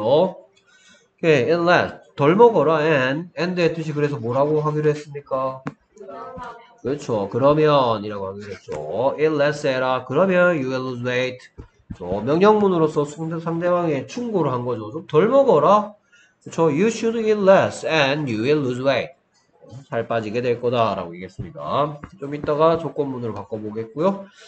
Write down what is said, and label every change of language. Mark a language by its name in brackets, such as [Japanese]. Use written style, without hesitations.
[English] 오케이, okay, and last. [Korean] 덜 먹어라, and의 뜻이 그래서 뭐라고 하기로 했습니까? 그렇죠. 그러면, 이라고 하기로 했죠. [English] eat less, [Korean] 해라. 그러면, [English] you will lose weight. 그렇죠. [Korean] 명령문으로서 상대방의 충고를 한 거죠. 좀덜 먹어라. 그렇죠. [English] you should eat less, and you will lose weight. [Korean] 살 빠지게 될 거다, 라고 얘기했습니다. 좀 이따가 조건문으로 바꿔보겠고요.